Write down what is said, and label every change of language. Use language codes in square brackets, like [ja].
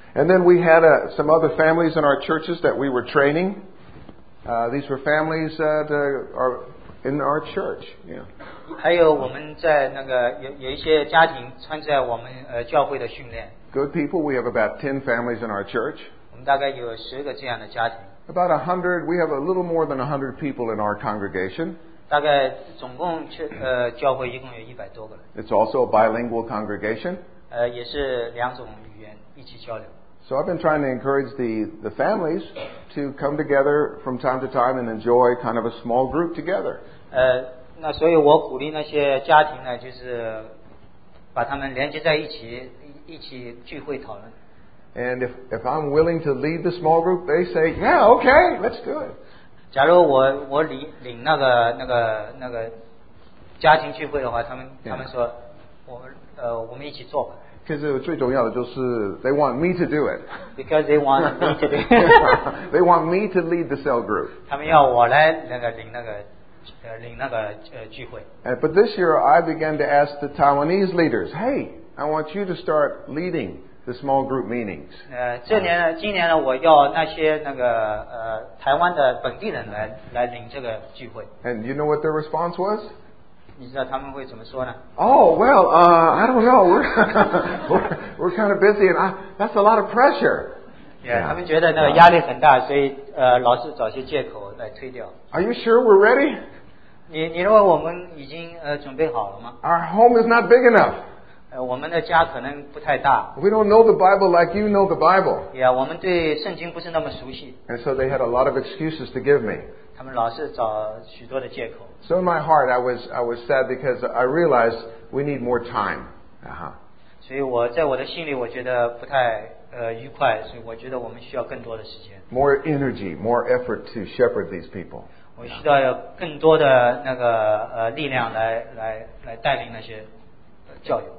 [en] And then we had some other families in our churches that we were training. These were families that are in our church. Yeah. [zh] 还有我们在那个有一些家庭参加我们教会的训练。 [en] Good people, we have about 10 families in our church. [zh] 我们大概有十个这样的家庭。 [en] About 100, we have a little more than 100 people in our congregation. [zh] 大概总共教会一共有100多个人。 [en] It's also a bilingual congregation. [zh] 也是两种语言一起交流。 [en] So I've been trying to encourage the families to come together from time to time and enjoy kind of a small group together. [zh] 那所以我鼓励那些家庭呢，就是把他们连接在一起聚会讨论。 [en] And if I'm willing to lead the small group, they say, yeah, okay, let's do it. [zh] 假如我领那个家庭聚会的话，他们说，我们一起做吧。其实最重要的就是 [en] they want me to do it. Because they want me to do it. They want me to lead the cell group. [zh] 他们要我来领那个聚会。 [en] But this year, I began to ask the Taiwanese leaders, hey, I want you to start leading. The small group meetings. [zh] 今年呢，我要那些那个台湾的本地人来领这个聚会。 [en] And you know what their response was? [zh] 你知道他们会怎么说呢 [en] ？Oh well, I don't know. We're kind of busy, and that's a lot of pressure. [zh] Yeah, 他们觉得那个压力很大，所以老是找些借口来推掉。 [en] Are you sure we're ready? [zh] 你认为我们已经准备好了吗? [en] Our home is not big enough. [zh] 我们的家可能不太大。 [en] We don't know the Bible like you know the Bible. [zh] Yeah, 我们对圣经不是那么熟悉。 [en] And so they had a lot of excuses to give me. [zh] 他们老是找许多的借口。 [en] So in my heart, I was sad because I realized we need more time. Uh-huh. [zh] 所以我在我的心里我觉得不太愉快，所以我觉得我们需要更多的时间。 [en] More energy, more effort to shepherd these people. [zh] 我需要有更多的力量来带领那些教友。